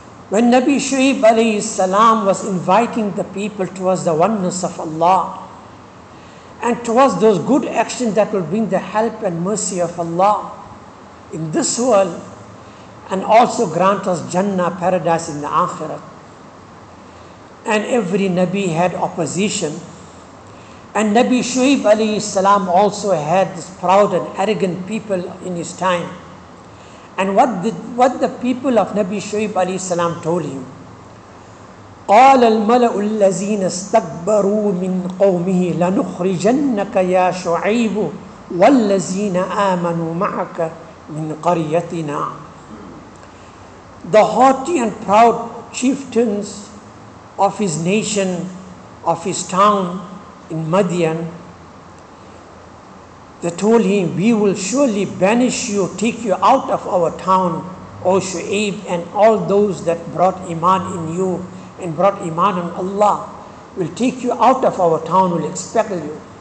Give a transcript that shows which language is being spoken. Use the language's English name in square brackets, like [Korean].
[English] When Nabi Shu'ib alayhi salam was inviting the people towards the oneness of Allah and towards those good actions that will bring the help and mercy of Allah in this world and also grant us Jannah, paradise in the Akhirah. And every Nabi had opposition, and Nabi Shu'ib alayhi salam also had this proud and arrogant people in his time. And what the people of Nabi Shu'ib alayhi salam told him, [Arabic] قَالَ الْمَلَأُ الَّذِينَ اسْتَكْبَرُوا مِنْ قَوْمِهِ لَنُخْرِجَنَّكَ يَا شُعَيْبُ وَالَّذِينَ آمَنُوا مَعَكَ مِنْ قَرْيَتِنَا. [English] The haughty and proud chieftains of his nation, of his town in Madian, they told him, we will surely banish you, take you out of our town, O Shu'ib, and all those that brought Iman in you and brought Iman on Allah will take you out of our town, will expel you.